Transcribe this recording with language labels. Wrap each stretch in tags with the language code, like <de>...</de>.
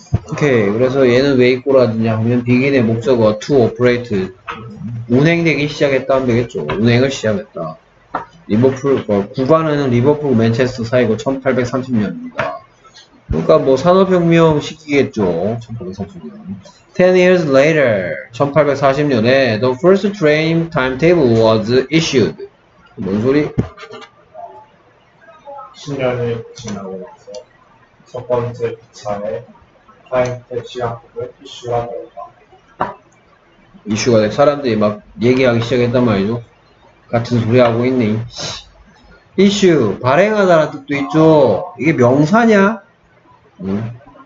<ko>오케이 okay, 그래서 얘는 왜 입고라 하느냐 하면 begin의 목적어</ko> <en>to operate</en> <ko>운행되기 시작했다 하면 되겠죠. 운행을 시작했다. 리버풀, 구간은 리버풀 맨체스터 사이고 1830년입니다. 그러니까 뭐 산업혁명 시기겠죠. 1830년.</ko> <en>10 years later, 1840년에 the first train timetable was issued.</en> <ko>뭔 소리? 10년이 지나고 나서 첫 번째 기차의 타임테이블 시간표를 이슈가 되었다. 이슈가 돼. 사람들이 막 얘기하기 시작했단 말이죠. 같은 소리 하고 있네. 이슈, 발행하다라는 뜻도 있죠. 이게 명사냐? 응.</ko>